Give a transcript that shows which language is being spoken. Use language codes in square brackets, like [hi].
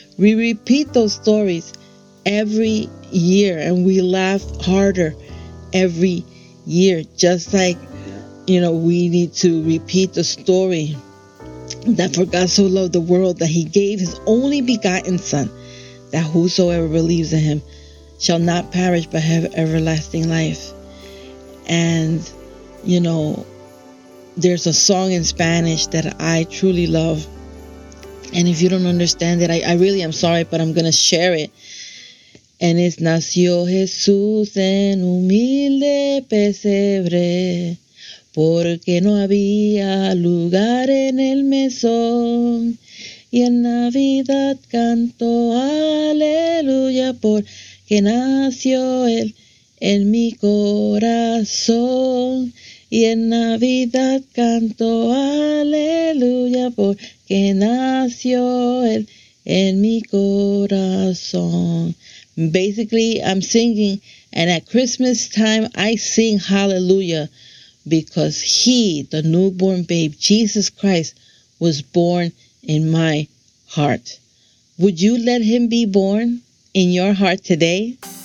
[en] We repeat those stories every year, and we laugh harder every year, just like, we need to repeat the story that for God so loved the world that He gave His only begotten Son, that whosoever believes in Him shall not perish but have everlasting life. And, you know, there's a song in Spanish that I truly love. And if you don't understand it, I really am sorry, but I'm going to share it. And it's [es] Nació Jesús en humilde pesebre, porque no había lugar en el mesón. Y en Navidad canto aleluya, porque nació él en mi corazón. Y en Navidad canto aleluya, porque nació él en mi corazón. [en] Basically, I'm singing, and at Christmas time, I sing hallelujah because he, the newborn babe, Jesus Christ, was born in my heart. Would you let him be born in your heart today?